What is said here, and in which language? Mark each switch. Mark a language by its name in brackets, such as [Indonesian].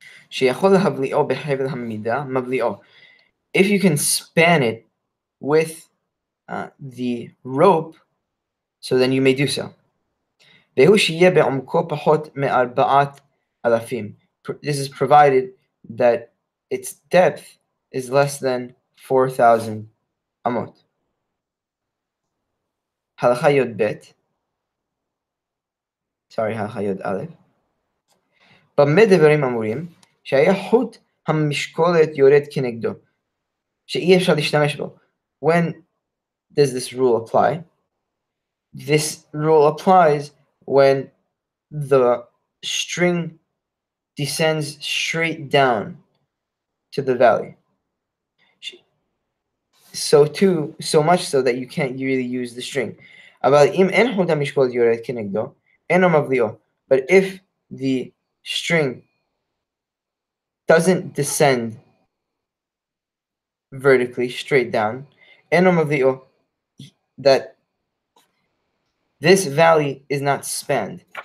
[Hebrew] שיכול להבליאו בחבל המידה, מבליאו. [English] If you can span it with the rope, so then you may do so. [Hebrew] והוא שיהיה בעומקו פחות מארבעת אלפים. [English] This is provided that its depth is less than 4,000 amot. [Hebrew] הלכה יוד בית. Sorry, הלכה יוד אלף. במה דברים אמורים? שהיה חוט המשקולת יורד כנגדו. שאי אפשר להשתמש בו. [English] When does this rule apply? This rule applies when the string descends straight down to the valley. So much so that you can't really use the string. [Hebrew] אבל אם אין חוט המשקולת יורד כנגדו, אינו מבליאו. [English] But if the string doesn't descend vertically, straight down, [Hebrew] אינו מבליאו, [English] that this valley is not spanned.